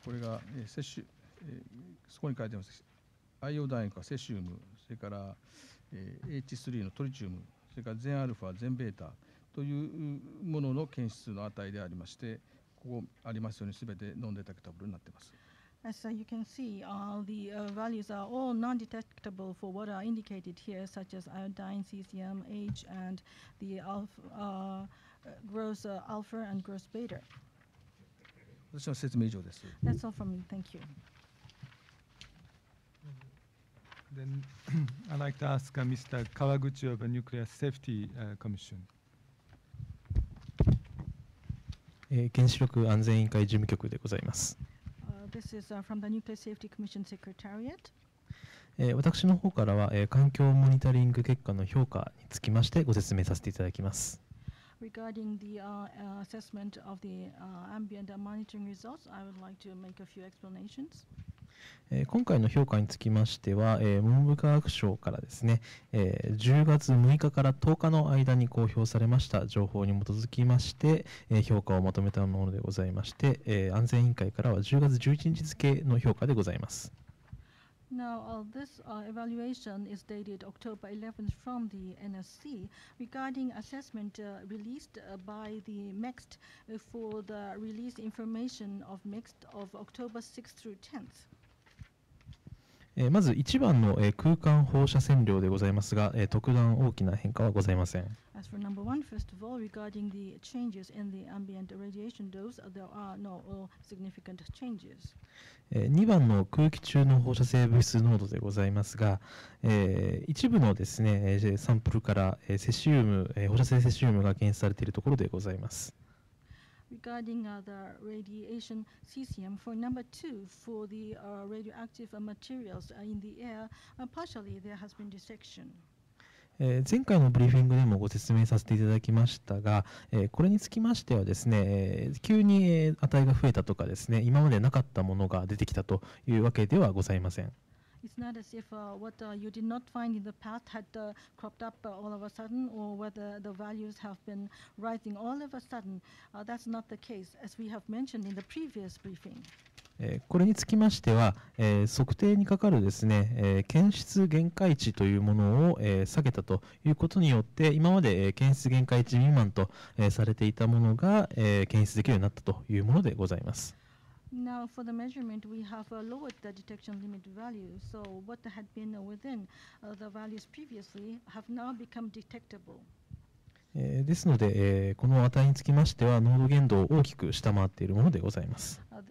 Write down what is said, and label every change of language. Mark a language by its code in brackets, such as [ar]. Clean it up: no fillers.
[ja] これが摂取、そこに書いてます。アイオダインかセシウム、それから H3 のトリチウム、それから全アルファ、全ベータというものの検出の値でありまして、ここありますようにすべてノンデタクタブルになっています。 [en] As you can see, the values are all non-detectable for what are indicated here, such as iodine, cesium, H, and the alpha, gross alpha and gross beta. [ja] 私の説明以上です。 [en] That's all from me. Thank you. Then I'd like to ask Mr. Kawaguchi of the Nuclear Safety Commission. [ja] 原子力安全委員会事務局でございます。 [en] This is from the Nuclear Safety Commission Secretariat. [ja] 私の方からは環境モニタリング結果の評価につきましてご説明させていただきます。 [en] Regarding the assessment of the ambient monitoring results, I would like to make a few explanations. [ja] 今回の評価につきましては、文部科学省からですね、10月6日から10日の間に公表されました情報に基づきまして、評価をまとめたものでございまして、安全委員会からは10月11日付の評価でございます。 [en] Now, this evaluation is dated October 11th from the NSC regarding assessment released by the MEXT for the release information of MEXT of October 6th through 10th. [ja] まず1番の空間放射線量でございますが、特段大きな変化はございません。 [en] As for number one, first of all, regarding the changes in the ambient radiation dose, there are no significant changes. [ja] 2番の空気中の放射性物質濃度でございますが、一部のですね、サンプルからセシウム、放射性セシウムが検出されているところでございます。 [en] Regarding the radiation cesium, for number two, for the radioactive materials in the air, partially there has been detection. [ja] 前回のブリーフィングでもご説明させていただきましたが、これにつきましてはですね、急に値が増えたとかですね、今までなかったものが出てきたというわけではございません。 [en] It's not as if what you did not find in the past had cropped up all of a sudden, or whether the values have been rising all of a sudden. That's not the case, as we have mentioned in the previous briefing. [ja] これにつきましては、測定にかかるですね、検出限界値というものを、下げたということによって、今まで、検出限界値未満と、されていたものが、検出できるようになったというものでございます。 [en] Now for the measurement, we have lowered the detection limit value. So what had been within the values previously have now become detectable. [ja] ですので、この値につきましては、濃度限度を大きく下回っているものでございます。